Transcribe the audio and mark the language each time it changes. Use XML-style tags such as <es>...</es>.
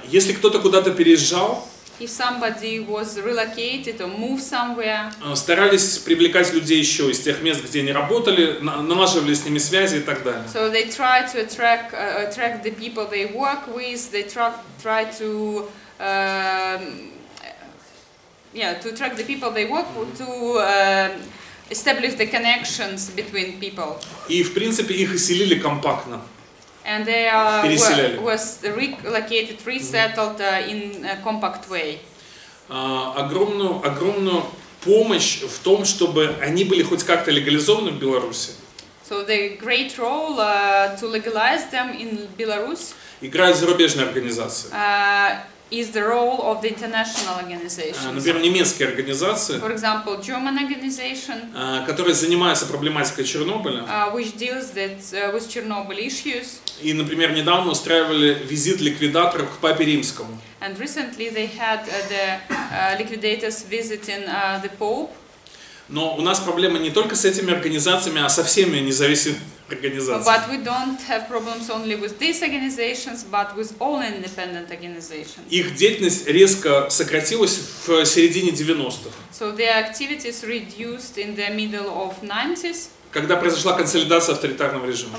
<ru>Если кто-то куда-то переезжал,</ru> <en>if somebody was relocated or moved somewhere,</en> <ru>старались привлекать людей еще из тех мест, где они работали, налаживали с ними связи и так далее.</ru> <en>So they try to attract the people they work with. They try to to attract the people they work with, to establish the connections between people.</en> <ru>И в принципе их оселили компактно.</ru> <en>And they was relocated, resettled in a compact way.</en> <ru>Огромную помощь в том, чтобы они были хоть как-то легализованы в Беларуси.</ru> <en>So the great role to legalize them in Belarus.</en> <ru>Играют зарубежные организации.</ru> <en>Is the role of the international organizations.</en> <ru>Например, немецкие организации.</ru> <en>For example, German organization.</en> <ru>Которые занимаются проблематикой Чернобыля.</ru> <en>Which deals with Chernobyl issues.</en> <ru>И, например, недавно устраивали визит ликвидаторов к Папе Римскому.</ru> <en>And recently they had the liquidators visiting the Pope.</en> <ru>Но у нас проблема не только с этими организациями, а со всеми независимыми.</ru> <en>But we don't have problems only with these organizations, but with all independent organizations.</en> <ru>Их деятельность резко сократилась в середине 90-х.</ru> <en>So their activities reduced in the middle of 90s.</en> <ru>Когда произошла консолидация авторитарного режима.</ru>